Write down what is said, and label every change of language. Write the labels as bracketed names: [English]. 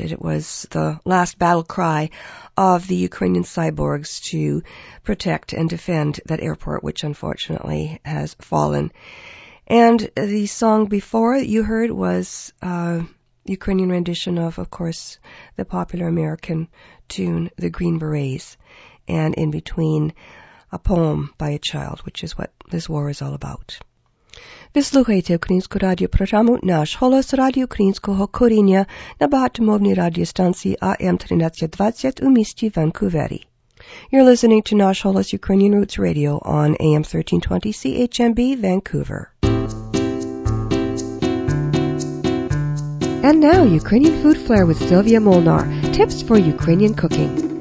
[English] It was the last battle cry of the Ukrainian cyborgs to protect and defend that airport, which unfortunately has fallen. And the song before you heard was the Ukrainian rendition of course, the popular American tune, The Green Berets, and in between, a poem by a child, which is what this war is all about. [Ukrainian] Ви слухаєте українську радіопрограму «Наш голос» радіо українського коріння на багатомовній радіостанції АМ 1320 у місті Ванкувері. [English] You're listening to «Наш голос» Ukrainian Roots Radio on AM 1320 CHMB Vancouver. And now, Ukrainian food flair with Sylvia Molnar. Tips for Ukrainian cooking.